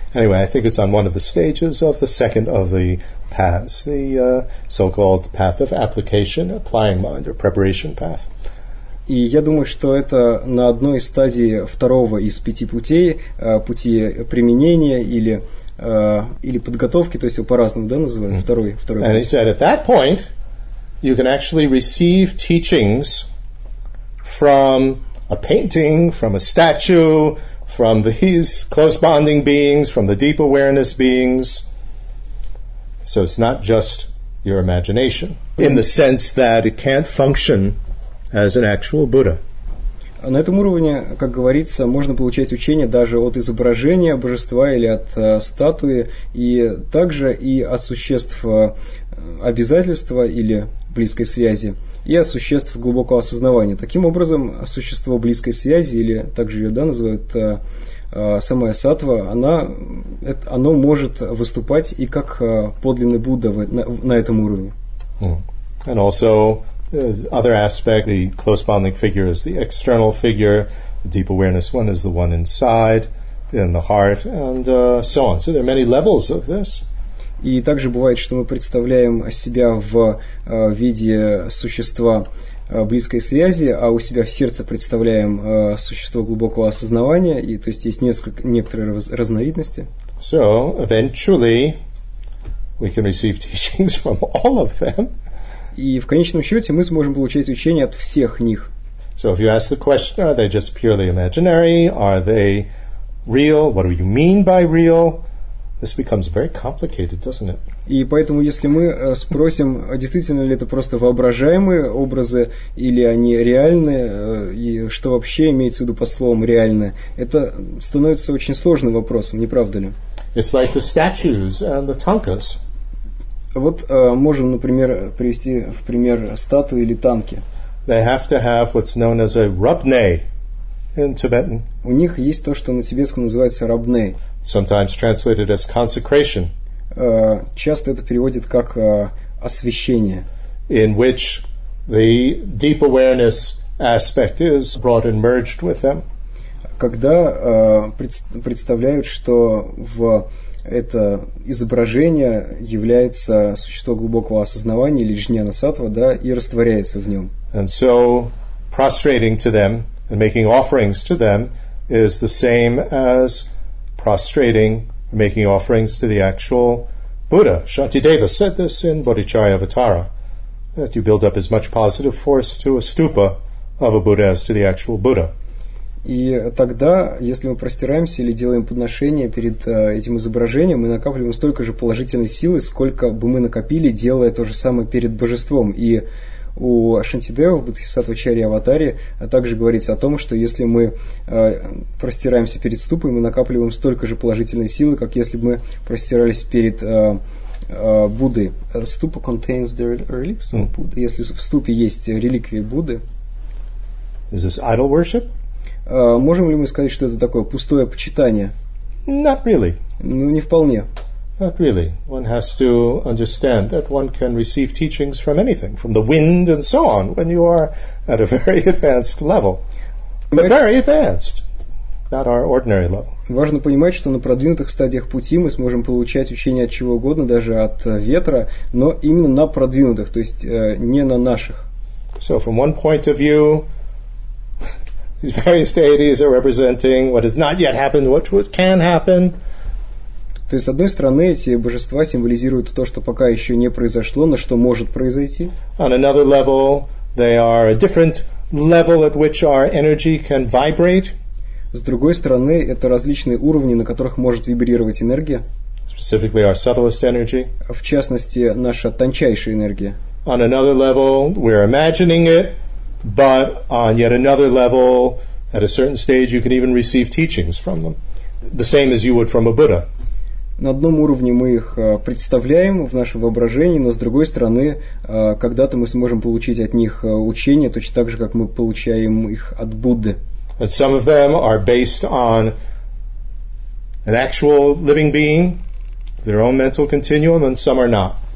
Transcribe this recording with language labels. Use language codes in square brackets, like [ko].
[en] Anyway, I think it's on one of the stages of the second of the paths, the so-called path of application, applying mind, or preparation path. [ru] И я думаю, что это на одной из стадий второго из пяти путей, пути применения или, или подготовки, то есть его по-разному, да, называют, второй. [en] And he said, at that point, you can actually receive teachings from a painting, from a statue, from these close-bonding beings, from the deep awareness beings. So it's not just your imagination, in the sense that it can't function as an actual Buddha. [ru] На этом уровне, как говорится, можно получать учение даже от изображения божества или от статуи, и также и от существ обязательства или близкой связи, и от существ глубокого осознавания. Таким образом, существо близкой связи, или также ее, да, называют самая сатва, оно может выступать и как подлинный Будда на этом уровне. [en] And also, other aspect, the close bonding figure is the external figure, the deep awareness one is the one inside, in the heart, and so on. So there are many levels of this. [ru] И также бывает, что мы представляем себя в виде существа близкой связи, а у себя в сердце представляем существо глубокого осознавания, и то есть есть некоторые разновидности. [en] So eventually we can receive teachings from all of them. [ru] И в конечном счете мы сможем получать учение от всех них. [en] So if you ask the question, are they just purely imaginary? Are they real? What do you mean by real? This becomes very complicated, doesn't it? [ru] И поэтому, если мы спросим, действительно ли это просто воображаемые образы, или они реальные, и что вообще имеется в виду под словом «реальное», это становится очень сложным вопросом, не правда ли? [en] It's like the statues and the tankas. [ru] Вот можем, например, привести в пример статуи или танки. [en] They have to have what's known as a rubney in Tibetan. [ru] У них есть то, что на тибетском называется рубней. [en] Sometimes translated as consecration. [ru] Часто это переводит как освящение. [en] In which the deep awareness aspect is brought and merged with them. [ru] Когда представляют, что в это изображение является существо глубокого осознавания или джняна-сатва, да, и растворяется в нем. [en] And so prostrating to them and making offerings to them is the same as prostrating, making offerings to the actual Buddha. Shantideva said this in Bodhicharya Avatara, that you build up as much positive force to a stupa of a Buddha as to the actual Buddha. [ru] И тогда, если мы простираемся или делаем подношение перед этим изображением, мы накапливаем столько же положительной силы, сколько бы мы накопили, делая то же самое перед божеством. И у Шантидева, Бодхисаттва Чарьи Аватари, также говорится о том, что если мы простираемся перед ступой, мы накапливаем столько же положительной силы, как если бы мы простирались перед Буддой. [en] Ступа contains the relics of Buddha. [ru] Если в ступе есть реликвии Будды. [en] Is this idol worship? [ru] Можем ли мы сказать, что это такое пустое почитание? [en] Not really. [ru] Ну, не вполне. [en] Not really. One has to understand that one can receive teachings from anything, from the wind and so on, when you are at a very advanced level. But very advanced. at our ordinary level. [ru] Важно понимать, что на продвинутых стадиях пути мы сможем получать учение от чего угодно, даже от ветра, но именно на продвинутых, то есть не на наших. [en] So from one point of view, these various deities are representing what has not yet happened, what can happen. [ru] То есть, с одной стороны, эти божества символизируют то, что пока еще не произошло, но что может произойти. [en] On another level, they are a different level at which our energy can vibrate. [ru] С другой стороны, это различные уровни, на которых может вибрировать энергия. [en] Specifically, our subtlest energy. [ru] В частности, наша тончайшая энергия. [en] On another level, we're imagining it, but on yet another level, at a certain stage, you can even receive teachings from them. The same as you would from a Buddha. [ru] На одном уровне мы их представляем в нашем воображении, но с другой стороны, когда-то мы сможем получить от них учение, точно так же, как мы получаем их от Будды. [en] And some of them are based on an actual living being, their own mental continuum, and some are not.